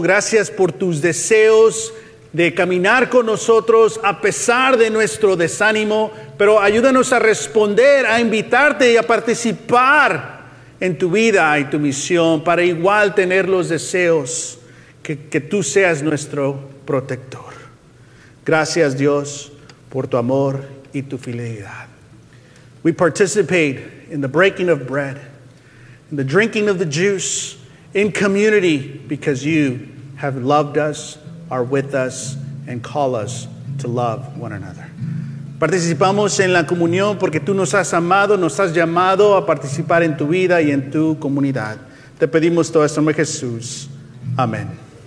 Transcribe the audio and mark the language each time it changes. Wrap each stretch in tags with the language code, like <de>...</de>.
<es>Gracias por tus deseos de caminar con nosotros a pesar de nuestro desánimo. Pero ayúdanos a responder, a invitarte y a participar en tu vida y tu misión para igual tener los deseos que tú seas nuestro protector. Gracias, Dios, por tu amor y tu fidelidad.</es> <en>We participate in the breaking of bread, in the drinking of the juice, in community because you have loved us, are with us, and call us to love one another.</en> <es>Participamos en la comunión porque tú nos has amado, nos has llamado a participar en tu vida y en tu comunidad. Te pedimos todo esto en Jesús. Amén.</es>